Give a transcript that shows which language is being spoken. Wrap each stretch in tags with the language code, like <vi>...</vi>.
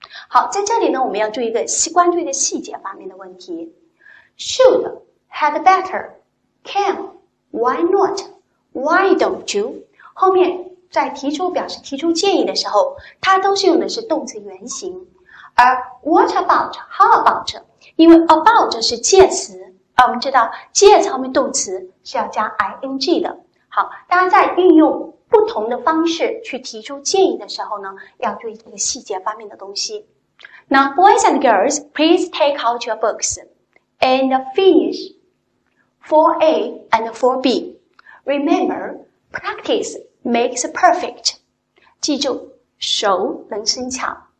<zh>好，在这里呢，我们要注意一个关注一个细节方面的问题。</zh> <en>Should, had better, can, why not, why don't you?</en> <zh>后面在提出表示提出建议的时候，它都是用的是动词原形。而 what about, how about? 因为 about 是介词，而我们知道介词后面动词是要加 ing 的。好，大家在运用不同的方式去提出建议的时候呢，要注意这个细节方面的东西。</zh> <en>Now, boys and girls, please take out your books and finish 4A and 4B. Remember, practice makes perfect.</en> <zh>记住，熟能生巧。</zh>